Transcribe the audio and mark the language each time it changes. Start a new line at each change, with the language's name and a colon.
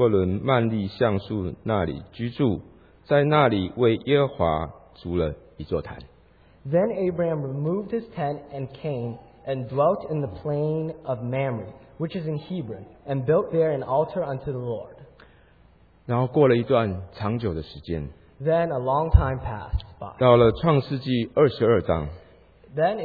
Chinese: 亚伯兰就搬了帐篷，来到希伯伦曼利橡树那里居住。在那里为耶和华筑了一座坛。
English: Then Abraham removed his tent and came and dwelt in the plain of Mamre, which is in Hebron, and built there an altar unto the Lord.
Chinese: 然后过了一段长久的时间。
English: Then a long time passed by.
Chinese: 到了创世纪22章。
English: Then